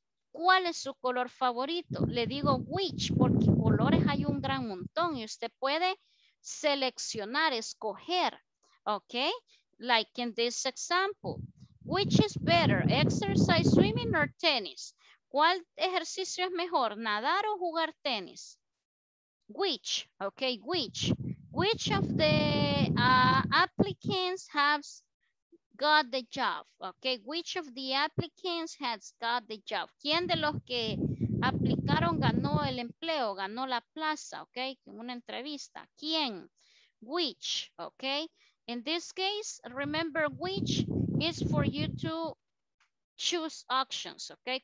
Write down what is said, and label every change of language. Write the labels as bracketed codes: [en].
[es] ¿Cuál es su color favorito? Le digo which, porque colores hay un gran montón y usted puede seleccionar, escoger, ¿ok? [en] Like in this example, which is better, exercise, swimming, or tennis? [es] ¿Cuál ejercicio es mejor, nadar o jugar tenis? [en] Which, ¿ok? Which. Which of the applicants has got the job? ¿Ok? Which of the applicants has got the job? [es] ¿Quién de los que aplicaron ganó el empleo, ganó la plaza, ok, en una entrevista? ¿Quién? Which, ok. [en] In this case, remember, which is for you to choose options, ok.